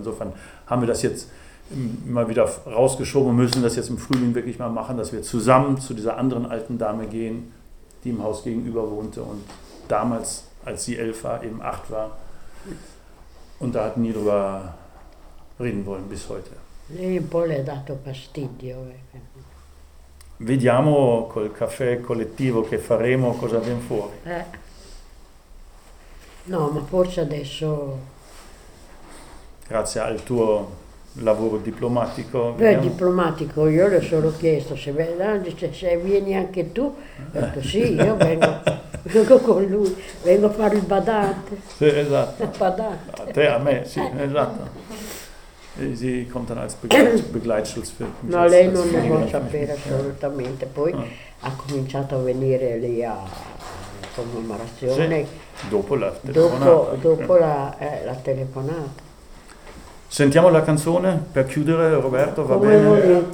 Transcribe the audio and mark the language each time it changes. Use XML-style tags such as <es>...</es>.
<de>Insofern haben wir das jetzt immer wieder rausgeschoben und müssen das jetzt im Frühling wirklich mal machen, dass wir zusammen zu dieser anderen alten Dame gehen, die im Haus gegenüber wohnte und damals, als sie 11 war, eben 8 war. Und da hat nie drüber reden wollen bis heute.</de> <it>Lei un po' le ha dato fastidio. Vediamo col caffè collettivo che faremo cosa viene fuori. No, ma forse adesso. Grazie al tuo lavoro diplomatico. Beh, diplomatico, io le ho solo chiesto se vieni anche tu. Ho detto sì, io vengo con lui, vengo a fare il badante. Sì, esatto. Il badante. A te, a me, sì, esatto.</it> <de>Sie kommt dann als Begleitschutz für mich.</de> <it>No, lei non lo vuole sapere assolutamente. Poi ha cominciato a venire lì a commemorazione. Dopo la telefonata. Sentiamo la canzone per chiudere, Roberto, va bene?</it>